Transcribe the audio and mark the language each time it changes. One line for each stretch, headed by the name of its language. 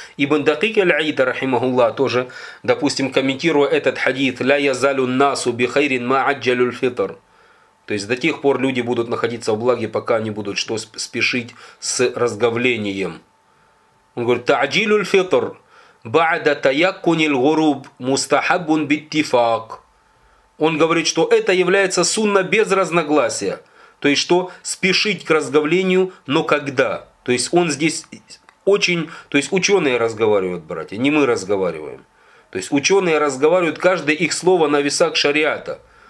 Russian: Ибн Дакик аль-Аид, рахимахуллах, тоже, допустим, комментируя этот хадис,
Arabic: «Ля язалю насу бихайрин ма аджалю л-фитр».
Russian: То есть до тех пор люди будут находиться в благе, пока они будут что спешить с разговлением. Он говорит,
Arabic: «Тааджилю л-фитр». بعد تيقن الغروب مستحب باتفاق.
Russian: Он говорит, что это является сунна без разногласия. То есть что спешить к разговлению, но когда? То есть он здесь очень, то есть ученые разговаривают, братья, не мы разговариваем. То есть ученые разговаривают, каждое их слово на весах шариата.